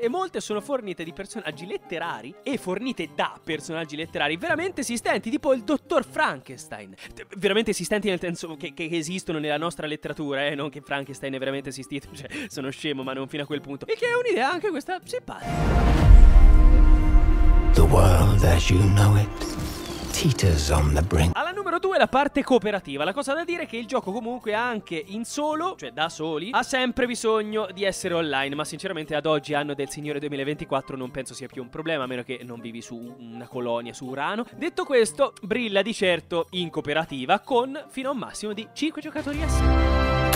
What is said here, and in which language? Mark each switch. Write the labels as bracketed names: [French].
[Italian] E molte sono fornite di personaggi letterari e fornite da personaggi letterari veramente esistenti, tipo il dottor Frankenstein. Veramente esistenti nel senso che esistono nella nostra letteratura, non che Frankenstein è veramente esistito, cioè sono scemo, ma non fino a quel punto. E che è un'idea anche questa simpatica. [English] The world as you know it teeters on the brink. [Italian] Alla numero 2, la parte cooperativa. La cosa da dire è che il gioco comunque anche in solo, cioè da soli, ha sempre bisogno di essere online. Ma sinceramente ad oggi, anno del signore 2024, non penso sia più un problema, a meno che non vivi su una colonia su Urano. Detto questo, brilla di certo in cooperativa con fino a un massimo di 5 giocatori assieme.